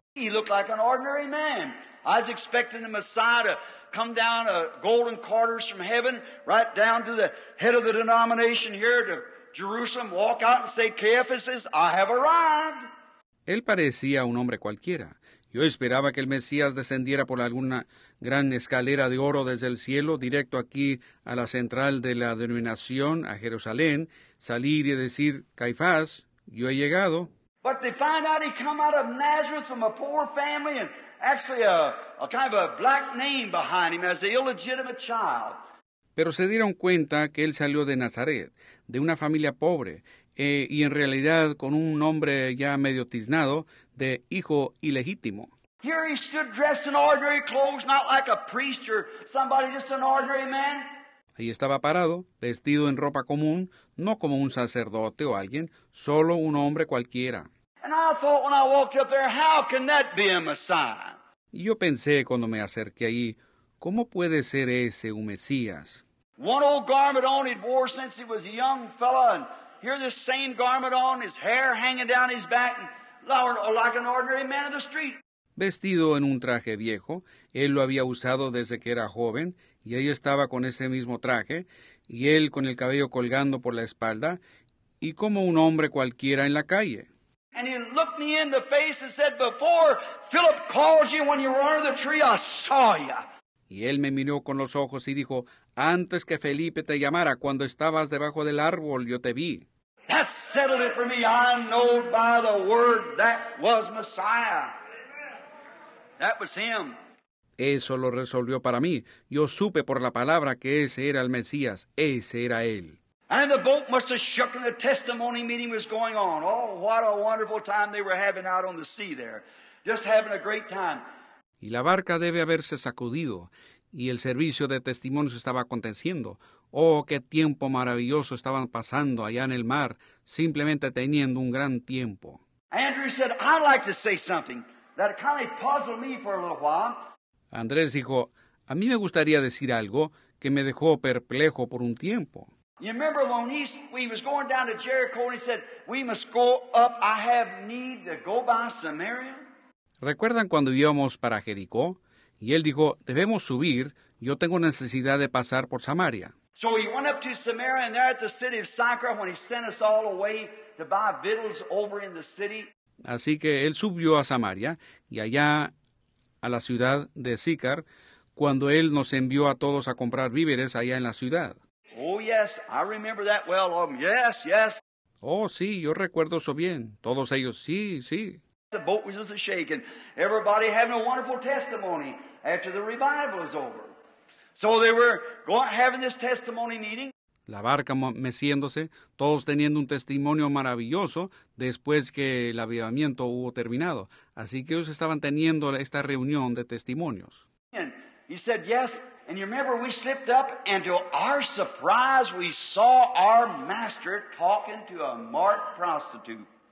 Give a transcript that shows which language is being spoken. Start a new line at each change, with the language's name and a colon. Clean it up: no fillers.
English: He looked like an ordinary man. I was expecting the Messiah to come down a golden quarters from heaven, right down to the head of the denomination here to Jerusalem, walk out and say, "Caiaphas, I have arrived."
Spanish: Él parecía un hombre cualquiera. Yo esperaba que el Mesías descendiera por alguna gran escalera de oro desde el cielo, directo aquí a la central de la denominación, a Jerusalén, salir y decir, "Caifás, yo he llegado."
English: But they find out he come out of Nazareth from a poor family and actually a kind of a black name behind him as an illegitimate child.
Spanish: Pero se dieron cuenta que él salió de Nazaret, de una familia pobre, y en realidad con un nombre ya medio tiznado de hijo ilegítimo.
English: Here he stood dressed in ordinary clothes, not like a priest or somebody, just an ordinary man.
Spanish: Ahí estaba parado, vestido en ropa común, no como un sacerdote o alguien, solo un hombre cualquiera.
English: And I thought when I walked up there, how can that be a Messiah?
Spanish: Y yo pensé cuando me acerqué ahí, ¿cómo puede ser ese un Mesías?
English: One old garment on he'd wore since he was a young fella, and here this same garment on, his hair hanging down his back, and like an ordinary man of the street.
Spanish: Vestido en un traje viejo, él lo había usado desde que era joven, y ahí estaba con ese mismo traje, y él con el cabello colgando por la espalda, y como un hombre cualquiera en la calle.
English: And he looked me in the face and said, "Before Philip called you when you were under the tree, I saw you."
Spanish: Y él me miró con los ojos y dijo, "Antes que Felipe te llamara, cuando estabas debajo del árbol, yo te vi."
English: That settled it for me. I know by the word that was Messiah. That was him.
Spanish: Eso lo resolvió para mí. Yo supe por la palabra que ese era el Mesías. Ese era él.
English: And the boat must have shook and the testimony meeting was going on. Oh, what a wonderful time they were having out on the sea there. Just having a great time.
Spanish: Y la barca debe haberse sacudido y el servicio de testimonios estaba aconteciendo. Oh, qué tiempo maravilloso estaban pasando allá en el mar, simplemente teniendo un gran tiempo.
English: Andrew said, I'd like to say something that kind of puzzled me for a little while.
Spanish: Andrés dijo, a mí me gustaría decir algo que me dejó perplejo por un tiempo.
English: You remember when we was going down to Jericho and he said, we must go up, I have need to go by Samaria?
Spanish: ¿Recuerdan cuando íbamos para Jericó? Y él dijo, debemos subir, yo tengo necesidad de pasar por Samaria.
English: So he went up to Samaria and there at the city of Sychar when he sent us all away to buy victuals over in the city.
Spanish: Así que él subió a Samaria y allá a la ciudad de Sychar cuando él nos envió a todos a comprar víveres allá en la ciudad.
English: Oh, yes, I remember that well. Yes, yes.
Spanish: Oh, sí, yo recuerdo eso bien. Todos ellos, sí, sí.
English: The boat was just shaking. Everybody having a wonderful testimony after the revival was over. So they were having this testimony meeting.
Spanish: La barca meciéndose, todos teniendo un testimonio maravilloso después que el avivamiento hubo terminado. Así que ellos estaban teniendo esta reunión de testimonios.
English: And he said, yes. And you remember we slipped up and to our surprise we saw our master talking to a marked prostitute.